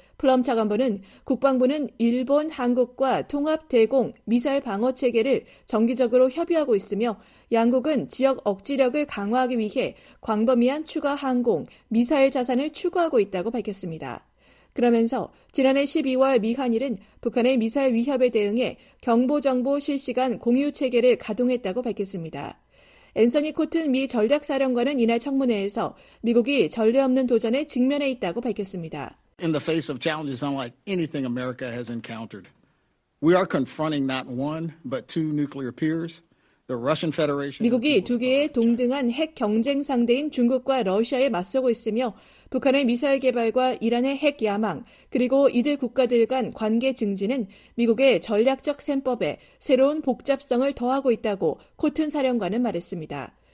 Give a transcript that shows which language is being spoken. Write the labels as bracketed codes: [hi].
[ko] 플럼 차관보는 국방부는 일본, 한국과 통합 대공 미사일 방어 체계를 정기적으로 협의하고 있으며 양국은 지역 억지력을 강화하기 위해 광범위한 추가 항공, 미사일 자산을 추구하고 있다고 밝혔습니다. 그러면서 지난해 12월 미한일은 북한의 미사일 위협에 대응해 경보 정보 실시간 공유 체계를 가동했다고 밝혔습니다. 앤서니 코튼 미 전략사령관은 이날 청문회에서 미국이 전례 없는 도전에 직면해 있다고 밝혔습니다. [en] In the face of challenges unlike anything America has encountered, we are confronting not one but two nuclear peers. [ko] 미국이 두 개의 동등한 핵 경쟁 상대인 중국과 러시아에 맞서고 있으며 북한의 미사일 개발과 이란의 핵 야망 그리고 이들 국가들 간 관계 증진은 미국의 전략적 셈법에 새로운 복잡성을 더하고 있다고 코튼 사령관은 말했습니다.